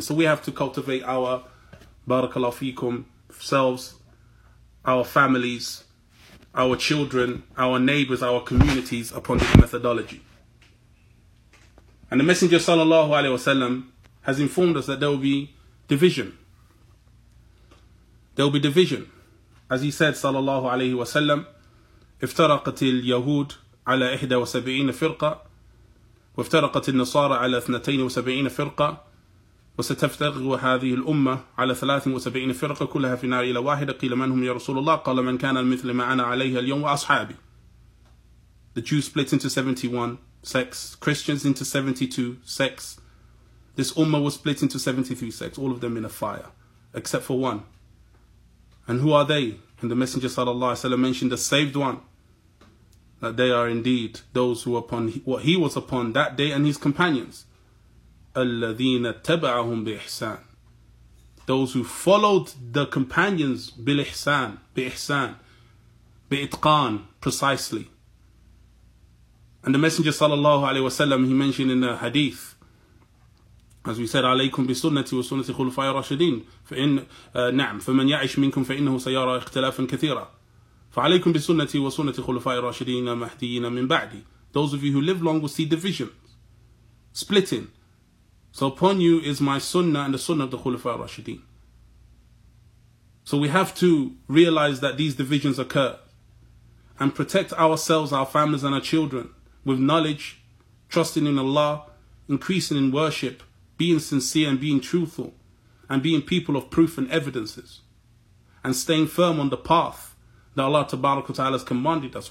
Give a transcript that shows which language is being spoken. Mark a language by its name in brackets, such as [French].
[English] So we have to cultivate our, barakallahu feekum, selves, our families, our children, our neighbors, our communities upon this methodology. And the Messenger sallallahu alaihi wasallam has informed us that there will be division. There will be division. As he said [Arabic] sallallahu alaihi wasallam, افترقت اليهود على 71 فرقة وافترقت النصارى على 72 فرقة وستفتغ هذه الأمة على 73 فرقة كلها في نار إلى واحدة قيل من هم يا رسول الله قال من كان مثل ما أنا عليه اليوم وأصحابي. [English] The Jews split into 71 sects, Christians into 72 sects. This Ummah was split into 73 sects, all of them in a fire, except for one. And who are they? And the Messenger sallallahu alaihi wasallam mentioned the saved one, that they are indeed those who upon what he was upon that day and his companions. [Arabic] الَّذِينَ تَبَعَهُمْ بِإِحْسَانٍ. [English] Those who followed the companions [Arabic] بِالْإِحْسَانِ بِإِحْسَانٍ بِإِتْقَانٍ [English] precisely. And the Messenger sallallahu alaihi wasallam, he mentioned in the hadith, as we said, [Arabic] عَلَيْكُمْ بِسُنَّةِ وَسُنَّةِ خُلُفَاءِ الرَّاشِدِينَ فَإِنْ نَعْمْ فَمَنْ يَعِشْ مِنْكُمْ فَإِنَّهُ سَيَرَى اخْتِلَافًا كَثِيرًا فَعَلَيْكُمْ بِسُنَّةِ وَسُنَّةِ خُلُفَاءِ الرَّاشِدِينَ مَهْدِيِّينَ مِنْ بَعْدِي. [English] Those of you who live long will see division, splitting. So upon you is my sunnah and the sunnah of the Khulafa al-Rashideen. So we have to realize that these divisions occur and protect ourselves, our families and our children with knowledge, trusting in Allah, increasing in worship, being sincere and being truthful and being people of proof and evidences and staying firm on the path that Allah Tabaraka wa Ta'ala has commanded us.